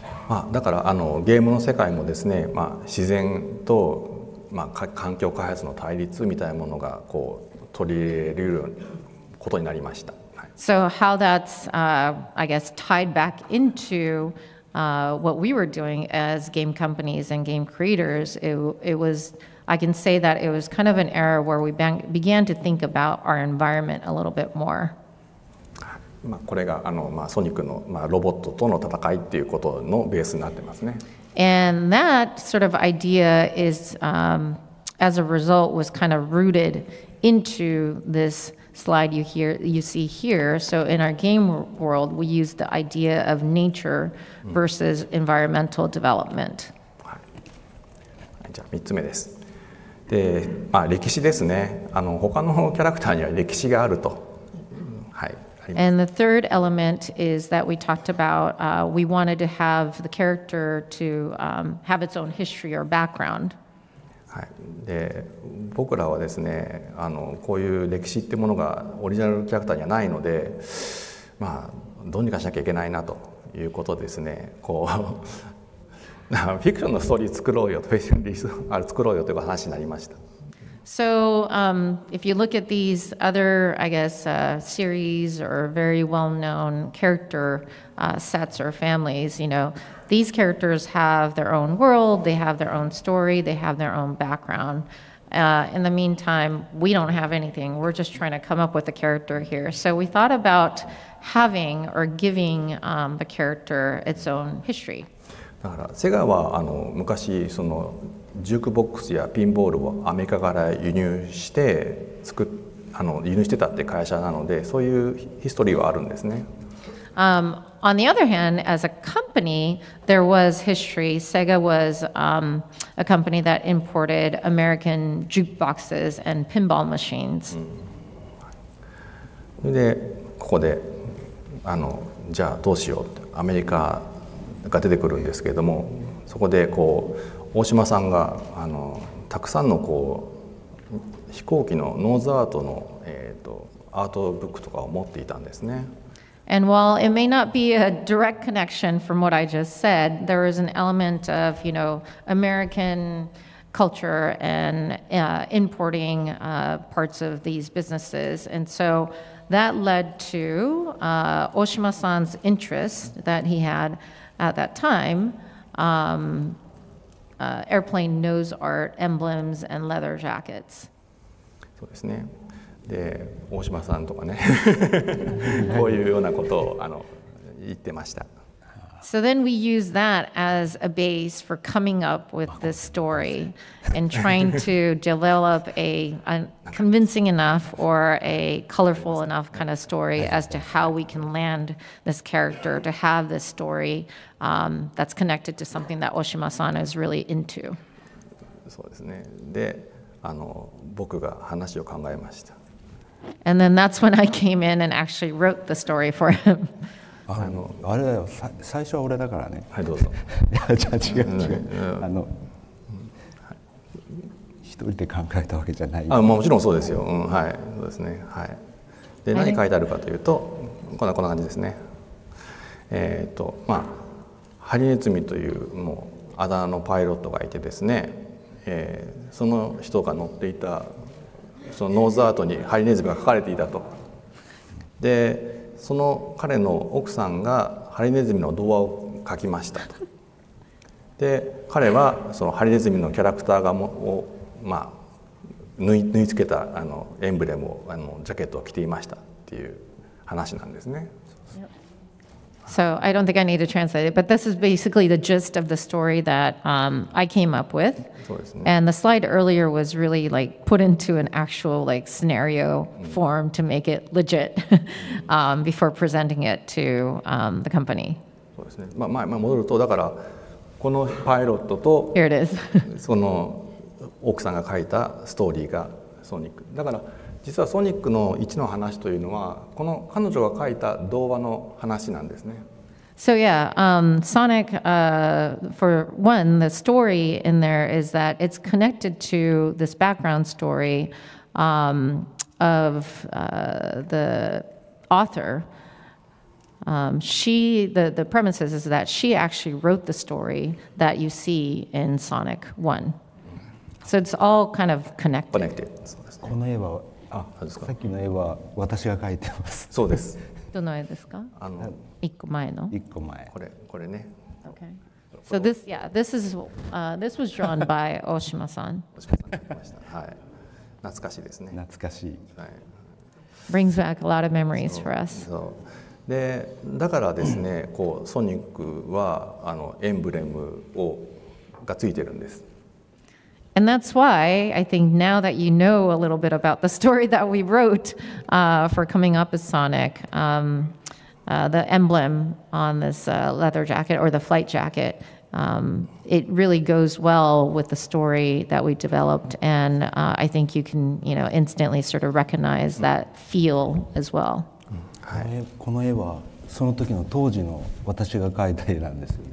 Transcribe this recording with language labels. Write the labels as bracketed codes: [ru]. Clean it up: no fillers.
[ja] まあ、だからあのゲームの世界もですね、まあ、自然と、まあ、環境開発の対立みたいなものがこう取り入れることになりました。 [en] So how that's, I guess, tied back into what we were doing as game companies and game creators, it was, I can say that it was kind of an era where we began to think about our environment a little bit more. [ja] まあ、これがあの、まあ、ソニックの、まあ、ロボットとの戦いっていうことのベースになってますね。 [en] And that sort of idea is, as a result, was kind of rooted into this slide you see here. So in our game world, we use the idea of nature versus environmental development.、 [ja] うん、はい。じゃあ3つ目です。で、まあ、歴史ですね。あの、他のキャラクターには歴史があると。はい。 [en] And the third element is that we talked about, we wanted to have the character to, have its own history or background. [ja] はい。で、僕らはですね、あの、こういう歴史ってものがオリジナルキャラクターにはないので、まあ、どうにかしなきゃいけないなということですね。こう、フィクションのストーリー作ろうよと、フィクションリスあれ作ろうよという話になりました。 [en] So, if you look at these other, I guess, series or very well-known character sets or families, you know, these characters have their own world, they have their own story, they have their own background. In the meantime, we don't have anything. We're just trying to come up with a character here. So we thought about having or giving the character its own history. [ja] だからセガはあの昔そのジュークボックスやピンボールをアメリカから輸入して作っあの輸入してたって会社なのでそういうヒストリーはあるんですね。 [en] On the other hand, as a company, there was history. Sega was a company that imported American jukeboxes and pinball machines.、 [ja] うん、でここであのじゃあどうしようってアメリカが出てくるんですけれども、そこでこう大島さんがあのたくさんのこう飛行機のノーズアートの、アートブックとかを持っていたんですね。 [en] And while it may not be a direct connection from what I just said, there is an element of, you know, American culture and importing parts of these businesses, and so. That led to Oshima-san's interest that he had at that time, airplane nose art, emblems, and leather jackets. [ja] そうですね。で、大島さんとかね、こういうようなことをあの言ってました。 [en] So then we use that as a base for coming up with this story and trying to develop a convincing enough or a colorful enough kind of story as to how we can land this character to have this story that's connected to something that Oshima-san is really into. [ja] そうですね。で、あの、僕が話を考えました。 [en] And then that's when I came in and actually wrote the story for him. [ja] あれだよ最初は俺だからねはいどうぞじゃあ違う、うん、あの、うん、一人で考えたわけじゃないあ、まあ、もちろんそうですよ、うん、はいそうですねはいで何書いてあるかというとこんな感じですねまあハリネズミというもうあだ名のパイロットがいてですね、その人が乗っていたそのノーズアートにハリネズミが書かれていたとでその彼の奥さんがハリネズミの童話を書きましたと。で、彼はそのハリネズミのキャラクターがもを、まあ、縫い付けたあのエンブレムをあのジャケットを着ていましたっていう話なんですね。 [en] So I don't think I need to translate it, but this is basically the gist of the story that I came up with. [ja] そうですね。 [en] And the slide earlier was really like put into an actual like scenario form to make it legit before presenting it to the company. [ja] そうですね。まあ、まあ、戻るとだからこのパイロットと [en] Here it is. [ja] その奥さんが書いたストーリーがソニック。だから実はソニックの1の話というのはこの彼女が書いた童話の話なんですね。 [en] So yeah, Sonic, for one, the story in there is that it's connected to this background story the author, she, the premise is that she actually wrote the story that you see in Sonic 1. So it's all kind of connected. Connected. [ja] この絵は、あ、さっきの絵は私が描いてます。そうです。どの絵ですか？あの、一個前の。一個前。これ、これね。 [en] Okay. So this, yeah, this is, this was drawn by Oshima-san. [ja] Oshima-san が描きました。はい。懐かしいですね。懐かしい。はい。 [en] Brings back a lot of memories for us. [ja] そう。で、だからですね、こう、ソニックは、あの、エンブレムを、がついてるんです。 [en] And that's why I think now that you know a little bit about the story that we wrote for coming up as Sonic, the emblem on this leather jacket or the flight jacket, it really goes well with the story that we developed. And I think you can, you know, instantly sort of recognize that feel as well. [ja] この絵はその時の当時の私が描いた絵なんですよね。